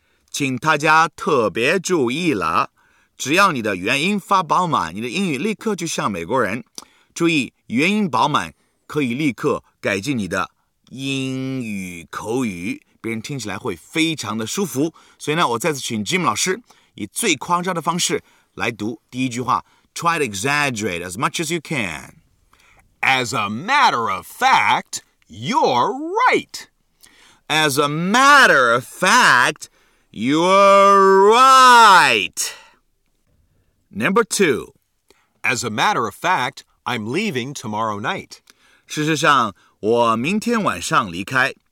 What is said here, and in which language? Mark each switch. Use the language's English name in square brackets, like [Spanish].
[Chinese] 请大家特别注意了，只要你的元音发饱满，你的英语立刻就像美国人。注意，元音饱满可以立刻改进你的英语口语，别人听起来会非常的舒服。所以呢，我再次请Jim老师以最夸张的方式来读第一句话。 [English] Try to exaggerate as much as you can. As a matter of fact, you're right. As a matter of fact, you're right. Number two. As a matter of fact, I'm leaving tomorrow night. [Chinese] 事实上,我明天晚上离开.